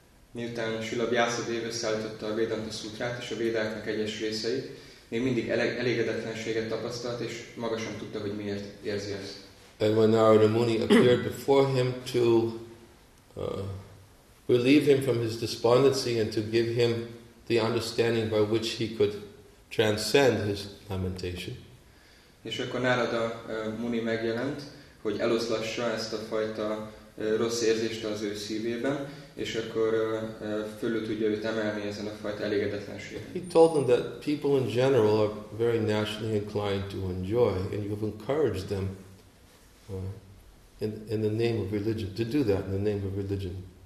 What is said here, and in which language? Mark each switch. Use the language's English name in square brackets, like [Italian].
[Hungarian] Miután Srila Vyasadeva összeállította a Vedanta Sutrát és a Védáknak egyes részeit, még mindig elégedetlenséget tapasztalt, és maga sem tudta, hogy miért érzi ezt. [English] And when Narada Muni appeared before him to relieve him from his despondency and to give him the understanding by which he could transcend his lamentation. [Hungarian] És akkor Narada Muni megjelent, hogy eloszlassa ezt a fajta rossz érzést az ő szívében, és akkor fölül tudja őt emelni ezen a fajta elégedetlenségen. [English] He told them that people in general are very naturally inclined to enjoy, and you have encouraged them in the name of religion to do that in the name of religion.